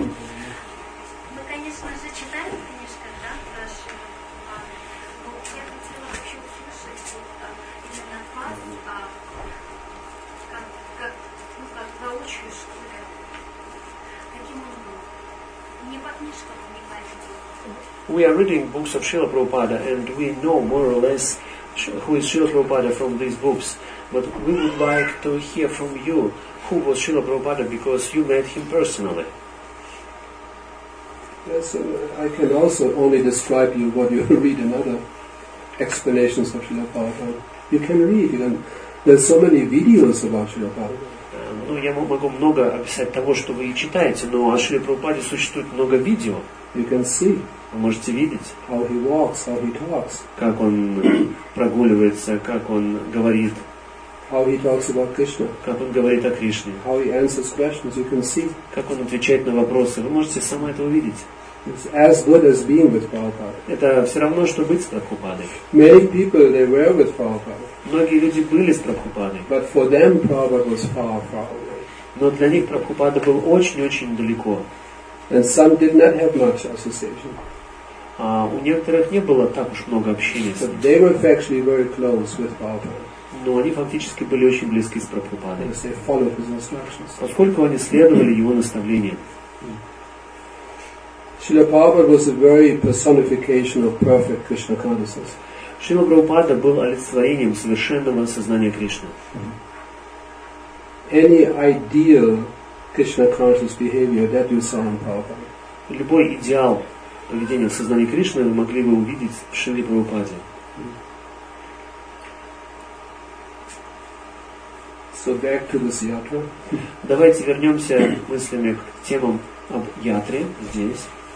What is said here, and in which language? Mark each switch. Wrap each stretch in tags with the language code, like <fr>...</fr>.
<ru>Мы, конечно же, читали в книжках, да, ваши. Но я хотела вообще услышать именно от вас, как воочию, что ли, каким он был. Не по книжкам.</ru> <en>We are reading books of Srila Prabhupada and we know more or less who is Srila Prabhupada from these books. But we would like to hear from you who was Srila Prabhupada because you met him personally. Yes, I can also only describe you what you read in other explanations of Srila Prabhupada. You can read, and there's so many videos about Srila Prabhupada.</en> <ru>Ну, я могу много описать того, что вы читаете, но о Шри Прабхупаде существует много видео.</ru> <en>You can see.</en> <ru>Вы можете видеть.</ru> <en>How he walks, how he talks.</en> <ru>Как он прогуливается, как он говорит.</ru> <en>How he talks about Krishna.</en> <ru>Как он говорит о Кришне.</ru> <en>How he answers questions, you can see.</en> <ru>Как он отвечает на вопросы, вы можете сама это увидеть.</ru> <en>It's as good as being with Prabhupada.</en> <ru>Это все равно, что быть с Прабхупадой.</ru> <en>Many people, they were with Prabhupada.</en> <ru>Многие люди были с Прабхупадой.</ru> <en>But for them, Prabhupada was far, far away.</en> <ru>Но для них Прабхупада был очень-очень далеко.</ru> <en>And some did not have much association.</en> <ru>А у некоторых не было так уж много общения.</ru> <en>But they were actually very close with Prabhupada.</en> <ru>Но они фактически были очень близки с Прабхупадой.</ru> <en>Because they followed his instructions.</en> <ru>Поскольку они следовали его наставлениям.</ru> <en>Srila Prabhupada was a very personification of perfect Krishna consciousness.</en> <ru>Шрила Прабхупада был олицетворением совершенного сознания Кришны.</ru> <en>Any ideal Krishna conscious behavior that you saw in Prabhupada.</en> <ru>Любой идеал поведения в сознании Кришны вы могли бы увидеть в Шриле Прабхупаде.</ru> <en>So back to this yatra.</en> <ru>Давайте вернемся мыслями к темам об ятре здесь.</ru>